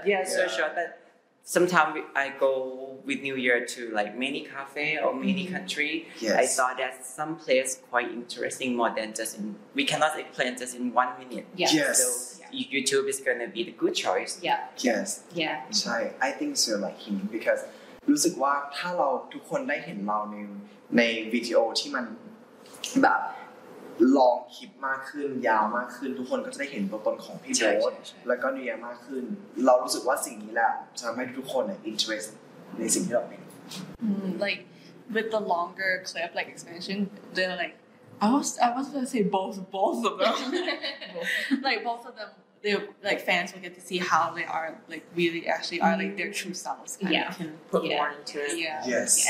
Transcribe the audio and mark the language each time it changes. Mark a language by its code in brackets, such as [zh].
[en] Yeah, so short. But sometimes I go with New Year to like many cafe or many country. Yes. I saw that some place quite interesting more than just in, we cannot explain just in 1 minute. Yes. So YouTube is going to be the good choice. Yeah. Yes. Yeah. So I think so, like him, because [th] รู้สึกว่าถ้าเราทุกคนได้เห็นเราในวิดีโอที่มันแบบลองคลิปมากขึ้นยาวมากขึ้นทุกคนก็จะได้เห็นตัวตนของพี่โบ๊ทแล้วก็นิยามมากขึ้นเรารู้สึกว่าสิ่งนี้แหละจะทำให้ทุกคนอินเทรสในสิ่งที่เราเป็น [en] like with the longer clip like expansion they're like I was gonna say both of them they like fans will get to see how they are like really actually are like their true selves kind of can put more into it yes